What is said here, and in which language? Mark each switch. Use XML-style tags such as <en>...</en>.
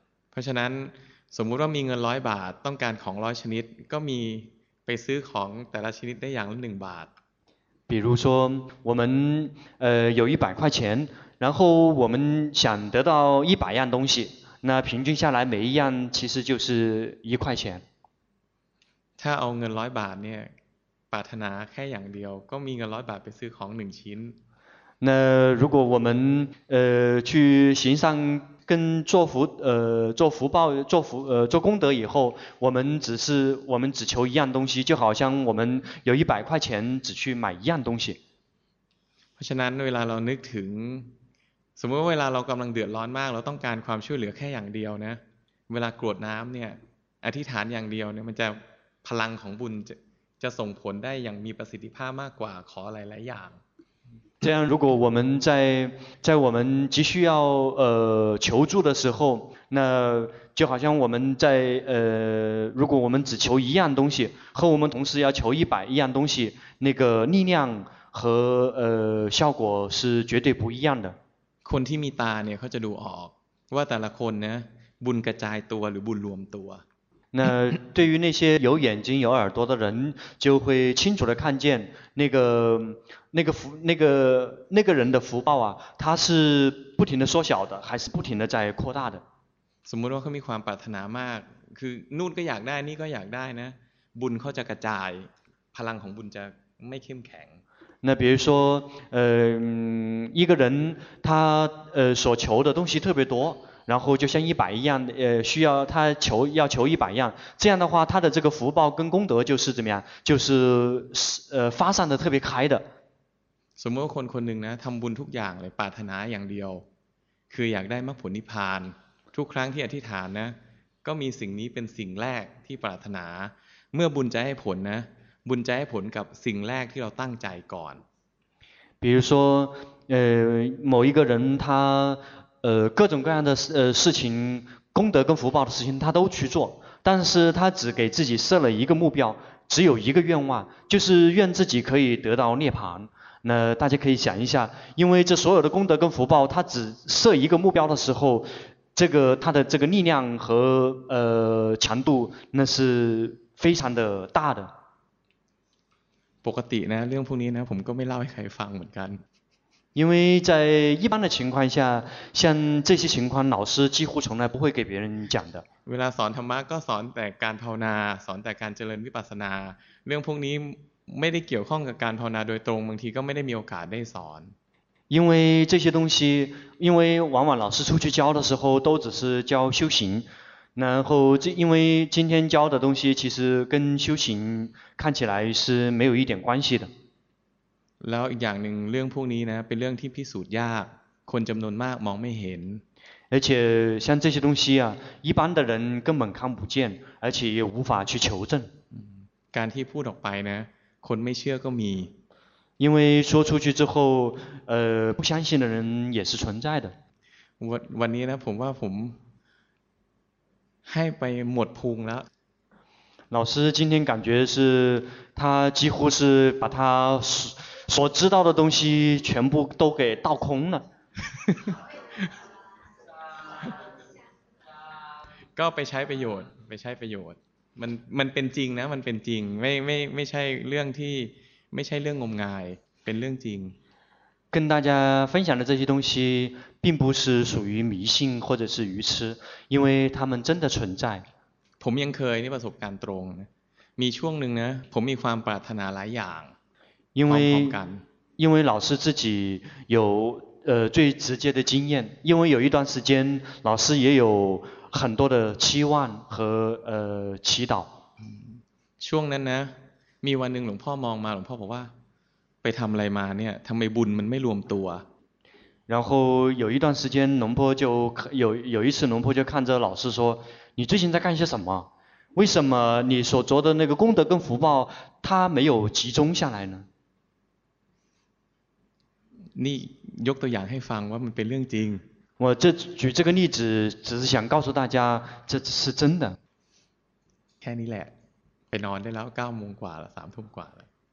<th>เพราะฉะนั้นสมมุติว่ามีเงินร้อยบาทต้องการของร้อยชนิดก็มีไปซื้อของแต่ละชนิดได้อย่างละหนึ่งบาท</th> <zh>比如说我们有一百块钱然后我们想得到一百样东西那平均下来每一样其实就是一块钱</zh> <th>ถ้าเอาเงินร้อยบาทเนี่ยปรารถนาแค่อย่างเดียวก็มีเงินร้อยบาทไปซื้อของหนึ่งชิ้น</th> <zh>那如果我们去行善跟做福做福报做福做功德以后，我们只求一样东西，就好像我们有一百块钱只去买一样东西。</zh> <th>ฉะนั้นเวลาเรานึกถึงสมมติว่าเวลาเรากำลังเดือดร้อนมากเราต้องการความช่วยเหลือแค่อย่างเดียวนะเวลากรวดน้ำเนี่ยอธิษฐานอย่างเดียวเนี่ยมันจะพลังของบุญจะส่งผลได้อย่างมีประสิทธิภาพมากกว่าขอหลายๆอย่าง</th> <zh>这样，如果我们在我们急需要求助的时候，那就好像我们在如果我们只求一样东西，和我们同时要求一百一样东西，那个力量和效果是绝对不一样的。</zh> <th>คนที่มีตาเนี่ยเขาจะดูออกว่าแต่ละคนนะบุญกระจายตัวหรือบุญรวมตัว</th> <zh>那对于那些有眼睛有耳朵的人，就会清楚地看见那个人的福报啊，他是不停地缩小的，还是不停地在扩大的。</zh> <th>สมมติว่าเขามีความปรารถนามากคือนู่นก็อยากได้นี่ก็อยากได้นะบุญเขาจะกระจายพลังของบุญจะไม่เข้มแข็ง</th> <zh>那比如说一个人他所求的东西特别多，然后就像一百一样，需要他求要求一百样，这样的话，他的这个福报跟功德就是怎么样，就是发散的特别开的。</zh> <th>สมมติว่าคนคนหนึ่งนะทำบุญทุกอย่างเลยปรารถนาอย่างเดียวคืออยากได้มรรคผลนิพพานทุกครั้งที่อธิษฐานนะก็มีสิ่งนี้เป็นสิ่งแรกที่ปรารถนาเมื่อบุญจะให้ผลนะบุญจะให้ผลกับสิ่งแรกที่เราตั้งใจก่อน</th> <zh>比如说某一个人他各种各样的事情，功德跟福报的事情，他都去做，但是他只给自己设了一个目标，只有一个愿望，就是愿自己可以得到涅槃。那大家可以想一下，因为这所有的功德跟福报，他只设一个目标的时候，这个他的这个力量和强度，那是非常的大的。</zh> <th>ปกตินะเรื่องพวกนี้นะผมก็ไม่เล่าให้ใครฟังเหมือนกัน</th> <zh>因为在一般的情况下，像这些情况，老师几乎从来不会给别人讲的。</zh> <th>เวลาสอนธรรมะก็สอนแต่การภาวนาสอนแต่การเจริญวิปัสสนาเรื่องพวกนี้ไม่ได้เกี่ยวข้องกับการภาวนาโดยตรงบางทีก็ไม่ได้มีโอกาสได้สอน</th> <zh>因为这些东西，因为往往老师出去教的时候都只是教修行，然后这因为今天教的东西其实跟修行看起来是没有一点关系的。</zh> <th>แล้วอีกอย่างหนึ่งเรื่องพวกนี้นะเป็นเรื่องที่พิสูจน์ยากคนจำนวนมากมองไม่เห็น</th> <zh>而且像这些东西啊一般的人根本看不见而且也无法去求证</zh> <th>การที่พูดออกไปนะคนไม่เชื่อก็มี</th> <zh>因为说出去之后不相信的人也是存在的</zh> <th>วันนี้นะผมว่าผมให้ไปหมดพุงแล้ว</th> <zh>老师今天感觉是他几乎是把他所知道的东西全部都给倒空了</zh> <th>ก็ไปใช้ประโยชน์ไปใช้ประโยชน์มันเป็นจริงนะมันเป็นจริงไม่ใช่เรื่องที่ไม่ใช่เรื่องงมงายเป็นเรื่องจริง</th> <zh>跟大家分享的这些东西并不是属于迷信或者是愚痴因为它们真的存在</zh> <th>ผมยังเคยนี่ประสบการณ์ตรงมีช่วงหนึ่งนะผมมีความปรารถนาหลายอย่าง</th> <zh>因为老师自己有最直接的经验，因为有一段时间老师也有很多的期望和祈祷。</zh> <th>ช่วงนั้นนะมีวันหนึ่งหลวงพ่อมองมาหลวงพ่อบอกว่าไปทำอะไรมาเนี่ยทำไมบุญมันไม่รวมตัว</th> <zh>然后有一段时间龙婆就有一次龙婆就看着老师说你最近在干些什么为什么你所做的那个功德跟福报它没有集中下来呢你</zh> <th>ยกตัวอย่างให้ฟังว่ามันเป็นเรื่องจริง</th> <zh>我这举这个例子只是想告诉大家这是真的</zh> <th>แค่นี้แหละไปนอนได้แล้ว9โมงกว่าแล้ว3ทุ่มกว่าแล้ว</th>